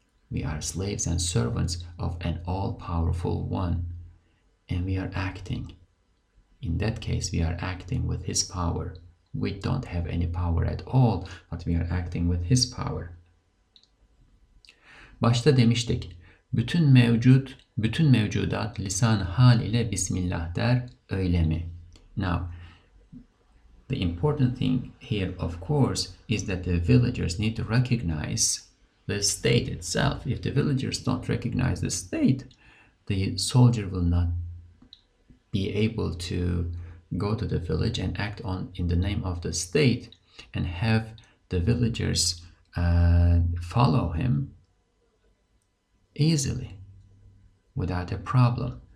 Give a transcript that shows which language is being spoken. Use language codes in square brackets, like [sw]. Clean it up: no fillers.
[en] We are slaves and servants of an all-powerful one, and we are acting. In that case, we are acting with his power. We don't have any power at all, but we are acting with his power. [tr] Başta demiştik, bütün mevcudat lisan hal ile bismillah der, öyle mi? [en] Now, the important thing here, of course, is that the villagers need to recognize the state itself. If the villagers don't recognize the state, the soldier will not be able to go to the village and act on in the name of the state and have the villagers follow him easily without a problem.